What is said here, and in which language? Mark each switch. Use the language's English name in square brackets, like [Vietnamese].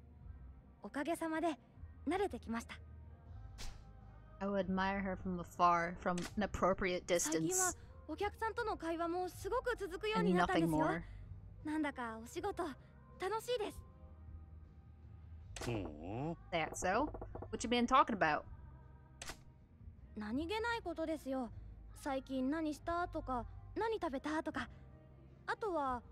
[Japanese] そうですね。最初は話す相手がマジマさんでも少し緊張してたんですが、おかげさまで慣れてきました。 [English] I would admire her from afar, from an appropriate distance. [Japanese] 最近はお客さんとの会話もすごく続くようになったんですよ。なんだかお仕事楽しいです。 [English] That so? What you been talking about? [Japanese] 何気ないことですよ。最近何したとか、何食べたとか あとは…